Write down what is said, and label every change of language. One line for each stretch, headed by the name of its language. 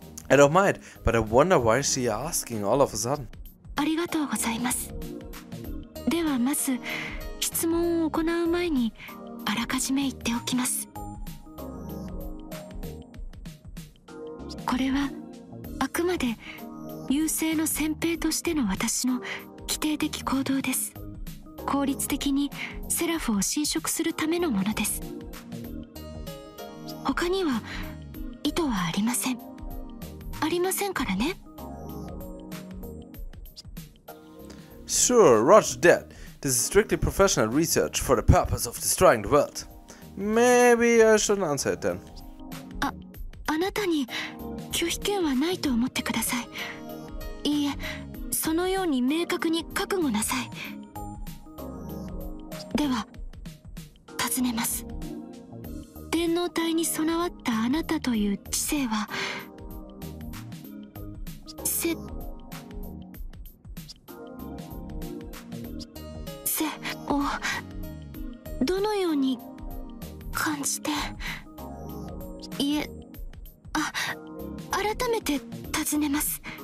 English: I don't mind, but I wonder why she is asking all of a sudden.
Japanese: ありがとうございます。ではまず質問を行う前にあらかじめ言っておきます。これはあくまで優勢の先兵としての私の規定的行動です。効率的にセラフを侵食するためのものです。他には意図はありません。ありませんからね。
English: Sure, Roger that. This is strictly professional research for the purpose of destroying the world. Maybe I shouldn't answer it then.
Japanese: あなたに拒否権はないと思ってください。いいえ、そのように明確に覚悟なさい。では、尋ねます。電脳体に備わったあなたという知性は、せをどのように感じて、いえ、あ、改めて尋ねます。